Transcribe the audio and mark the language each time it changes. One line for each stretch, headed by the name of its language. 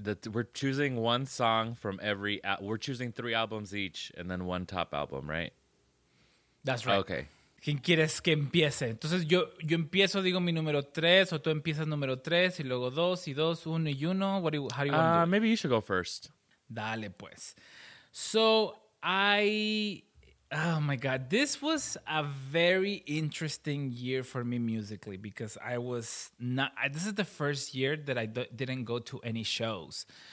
English: We're choosing one song from every... we're choosing three albums each, and then one top album, right? That's right. Okay.
Spanish: ¿Quién quieres que empiece? Entonces yo empiezo, digo mi número tres, o tú empiezas número tres, y luego dos, y dos, uno y uno.
English: How do you want to do it? Maybe you should go first. Dale, pues. So, oh my God. This was a very interesting year for me musically, because I was not... this is the first year that I didn't go to any shows.